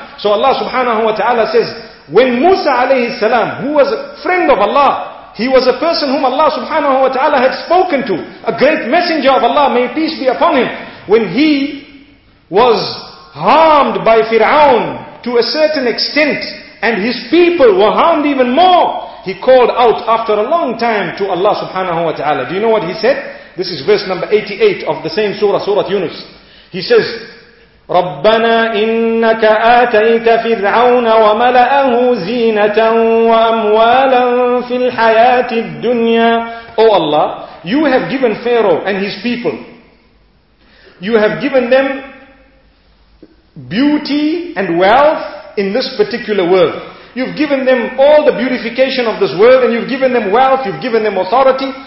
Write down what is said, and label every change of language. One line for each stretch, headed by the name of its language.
English: So Allah subhanahu wa ta'ala says, when Musa alayhi salam, who was a friend of Allah, he was a person whom Allah subhanahu wa ta'ala had spoken to, a great messenger of Allah, may peace be upon him. When he was harmed by Fir'aun to a certain extent, and his people were harmed even more, he called out after a long time to Allah subhanahu wa ta'ala. Do you know what he said? This is verse number 88 of the same surah, Surah Yunus. He says,
Arabic: رَبَّنَا إِنَّكَ آتَيْتَ فِرْعَوْنَ وَمَلَأَهُ زِينَةً وَأَمْوَالًا فِي الْحَيَاةِ الدُّنْيَا.
English: O Allah, you have given Pharaoh and his people, you have given them beauty and wealth in this particular world. You've given them all the beautification of this world, and you've given them wealth, you've given them authority.